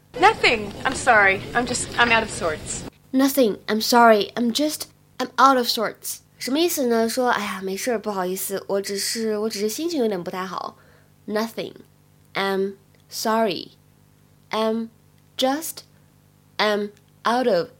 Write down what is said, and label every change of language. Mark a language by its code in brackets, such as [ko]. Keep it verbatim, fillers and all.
[en] Nothing, I'm sorry, I'm just, I'm out of sorts. Nothing, I'm sorry, I'm just, I'm out of sorts. [zh] 什么意思呢？说哎呀，没事，不好意思，我只是，我只是心情有点不太好。 [en] Nothing, I'm sorry, I'm just, I'm out of.